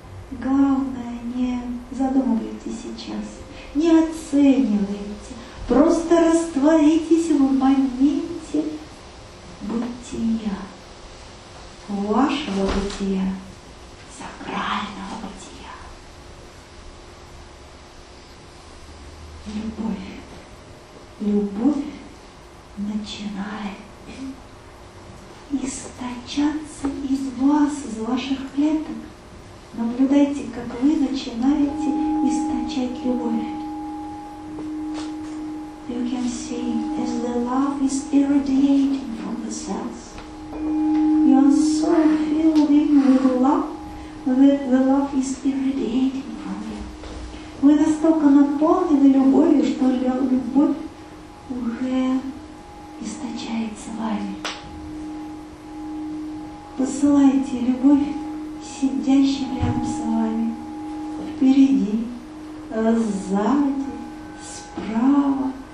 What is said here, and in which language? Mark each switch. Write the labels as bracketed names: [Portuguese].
[Russian] Главное, не задумывайтесь сейчас. Не оценивайте, просто растворитесь в моменте бытия, вашего бытия, сакрального бытия. Любовь начинает источаться из вас, из ваших клеток. Наблюдайте, как вы начинаете источать любовь. [English] You can see as the love is irradiating from the cells. You are so filled with love that the love is irradiating from you. [Russian] Вы настолько наполнены любовью, что любовь уже источается вами. Посылайте любовь сидящим рядом с вами, впереди, сзади, справа.